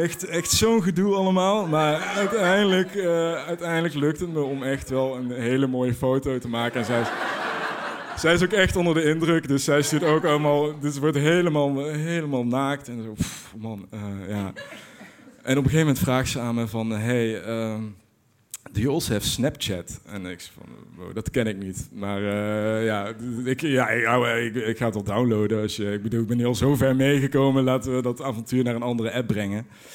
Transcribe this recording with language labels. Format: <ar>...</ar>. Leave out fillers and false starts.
<nl>Echt zo'n gedoe allemaal. Maar uiteindelijk lukt het me om echt wel een hele mooie foto te maken. En zij is ook echt onder de indruk, dus zij stuurt ook allemaal... Dus het wordt helemaal naakt. En zo, man, ja. En op een gegeven moment vraagt ze aan me van...</nl> <en>Hey, do you also have Snapchat?</en> <nl>En ik zei van, wow, dat ken ik niet. Maar ik ga het al downloaden. Ik bedoel, ik ben hier al zo ver meegekomen. Laten we dat avontuur naar een andere app brengen.</nl>